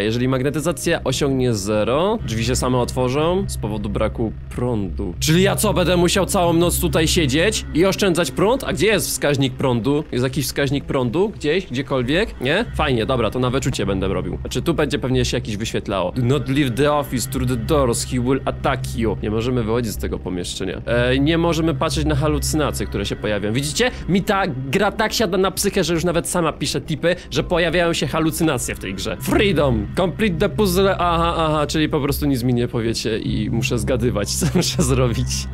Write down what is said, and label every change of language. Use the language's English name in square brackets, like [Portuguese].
[Polish] Jeżeli magnetyzacja osiągnie zero, drzwi się same otworzą z powodu braku prądu. Czyli ja co, będę musiał całą noc tutaj siedzieć i oszczędzać prąd? A gdzie jest wskaźnik prądu? Jest jakiś wskaźnik prądu? Gdzieś? Gdziekolwiek? Nie? Fajnie, dobra, to na wyczucie będę robił. Znaczy tu będzie pewnie się jakiś wyświetlało. [English] Do not leave the office through the doors, he will attack you. [Polish] Nie możemy wychodzić z tego pomieszczenia. Nie możemy patrzeć na halucynacje, które się pojawiają. Widzicie? Mi ta gra tak siada na psychę, że już nawet sama pisze tipy, że pojawiają się halucynacje w tej grze. Freedom! [English] Complete the puzzle! [Polish] Aha, aha, czyli po prostu nic mi nie powiecie i muszę zgadywać, co muszę zrobić.